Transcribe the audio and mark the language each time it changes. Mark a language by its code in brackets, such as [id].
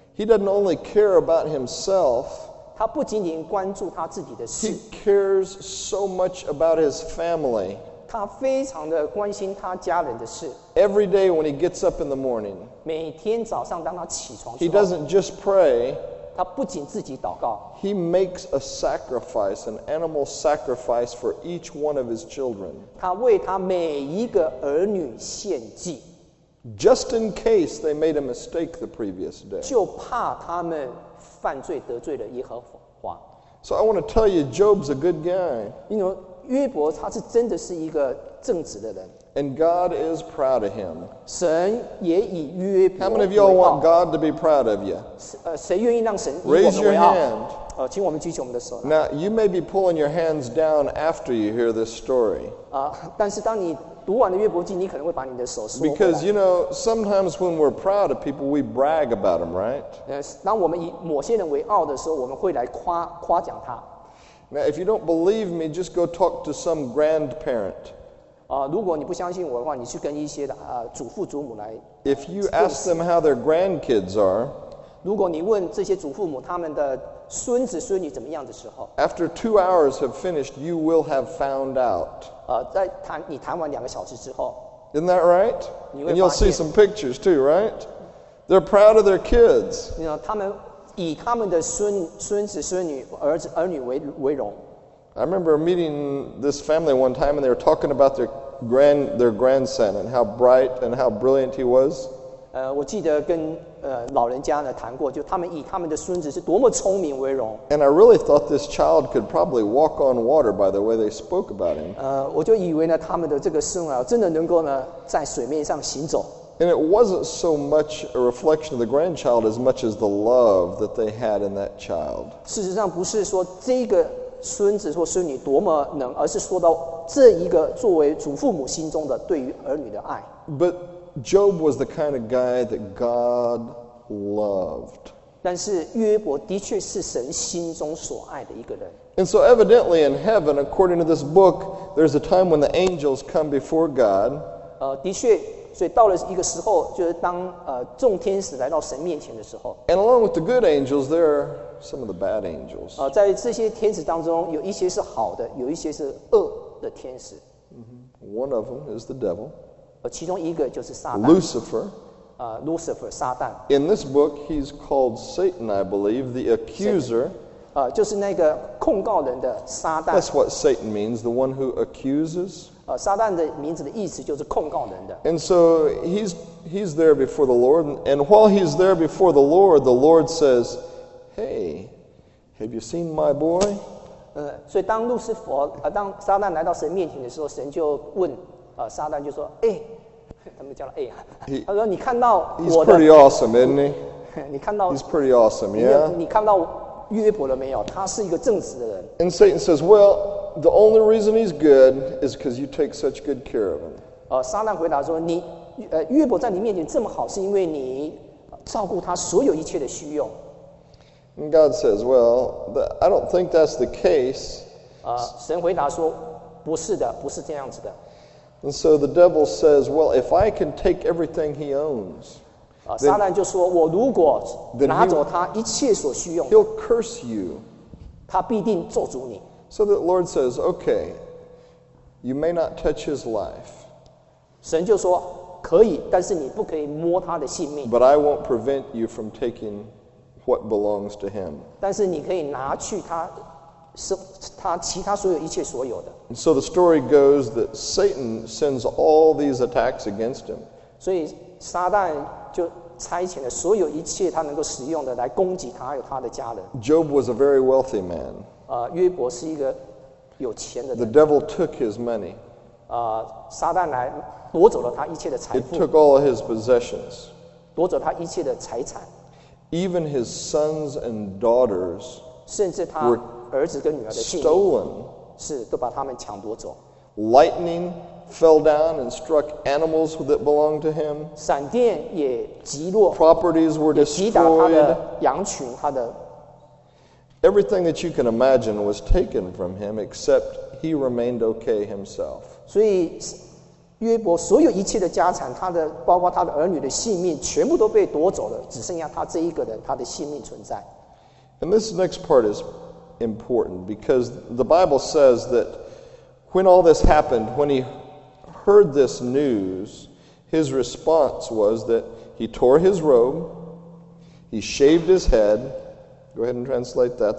[en] He doesn't only care about himself. [zh] 他不仅仅关注他自己的事。 [en] He cares so much about his family. [zh] 他非常的关心他家人的事。 [en] Every day when he gets up in the morning. [zh] 每天早上当他起床。 [en] He doesn't just pray. [zh] 他不仅自己祷告。 [en] He makes a sacrifice, an animal sacrifice for each one of his children. [zh] 他为他每一个儿女献祭。 [en] Just in case they made a mistake the previous day. [zh] 就怕他们犯罪得罪了耶和华。 [en] So I want to tell you, Job's a good guy. You know, [zh] 约伯他是真的是一个正直的人。 [en] And God is proud of him. [zh] 神也以约伯为傲。 [en] How many of y'all want God to be proud of you? [zh] 谁愿意让神以我们为傲？ [en] Raise your hand. [zh] 请我们举起我们的手。 [en] Now, you may be pulling your hands down after you hear this story. [zh] 但是当你读完了约伯记，你可能会把你的手缩回来。 [en] Because you know, sometimes when we're proud of people, we brag about them, right? [zh] 当我们以某些人为傲的时候，我们会来夸奖他。 [en] Now, if you don't believe me, just go talk to some grandparent. [zh] 如果你不相信我的话，你去跟一些祖父祖母来。 [en] If you ask them how their grandkids are, [zh] 如果你问这些祖父母他们的孙子孙女怎么样的时候 [en] ，After 2 hours have finished, you will have found out. [zh] 在谈你谈完两个小时之后 [en] ，Isn't that right? And you'll see some pictures too, right? They're proud of their kids. You know, [zh] 他们以他们的孙子孙女儿女为荣。 [en] I remember meeting this family one time, and they were talking about their grandson and how bright and how brilliant he was. [zh] 我记得跟老人家呢谈过，就他们以他们的孙子是多么聪明为荣。 [en] And I really thought this child could probably walk on water by the way they spoke about him. [zh] 我就以为呢他们的这个孙儿真的能够呢在水面上行走。 [en] And it wasn't so much a reflection of the grandchild as much as the love that they had in that child. [zh] 事实上不是说这个孙子或孙女多么能，而是说到这一个作为祖父母心中的对于儿女的爱。 [en] But Job was the kind of guy that God loved. [zh] 但是约伯的确是神心中所爱的一个人。 [en] And so evidently in heaven, according to this book, there's a time when the angels come before God. [zh] 的确，所以到了一个时候，就是当众天使来到神面前的时候。 [en] And along with the good angels, there are some of the bad angels. [zh] 在这些天使当中，有一些是好的，有一些是恶的天使。 [en] One of them is the devil. [zh] 其中一个就是撒旦 [en] Lucifer, [zh] Lucifer 撒旦。 [en] In this book, he's called Satan, I believe, the accuser. [zh] 就是那个控告人的撒旦。 [en] That's what Satan means, the one who accuses. [zh] 撒旦的名字的意思就是控告人的。 [en] And so he's there before the Lord, and while he's there before the Lord says, Hey, have you seen my boy? [zh] 所以当路斯佛当撒旦来到神面前的时候，神就问撒旦就说：“哎，他们叫了哎呀。” 他说：“你看到我的。 [en] ”He's pretty awesome, isn't he? [zh] 你看到 [en] ？He's pretty awesome, yeah. [zh] 你看到约伯了没有？他是一个正直的人。 [en] And Satan says, "Well, the only reason he's good is because you take such good care of him." [zh] 撒旦回答说：“你约伯在你面前这么好，是因为你照顾他所有一切的需用。” [en] And God says, "Well, I don't think that's the case." [zh] 神回答说。不是的，不是这样子的。 [en] And so the devil says, "Well, if I can take everything he owns," [zh] 撒旦就说，我如果拿走他一切所需用， [en] he'll curse you. [zh] 他必定咒诅你。 [en] So the Lord says, "Okay, you may not touch his life." [zh] 神就说可以，但是你不可以摸他的性命。 [en] But I won't prevent you from taking what belongs to him. [zh] 但是你可以拿去他。是他其他所有一切所有的。 [en] And so the story goes that Satan sends all these attacks against him. [zh] 所以撒旦就差遣了所有一切他能够使用的来攻击他还有他的家人。 [en] Job was a very wealthy man. [zh] 约伯是一个有钱的人。 [en] The devil took his money. [zh] 撒旦来夺走了他一切的财富。 [en] It took all of his possessions. [zh] 夺走他一切的财产。 [en] Even his sons and daughters. [zh] 甚至他。儿子跟女儿的性命 [en] Stolen, [zh] 是都把他们抢夺走。 [en] Lightning fell down and struck animals that belonged to him. [zh] 闪电也击落。 [en] Properties were destroyed. [zh] 也击打他的羊群，他的。 [en] Everything that you can imagine was taken from him, except he remained okay himself. [zh] 所以约伯所有一切的家产，他的包括他的儿女的性命，全部都被夺走了，只剩下他这一个人，他的性命存在。 [en] And this next part is important because the Bible says that when all this happened, when he heard this news, his response was that he tore his robe, he shaved his head. Go ahead and translate that.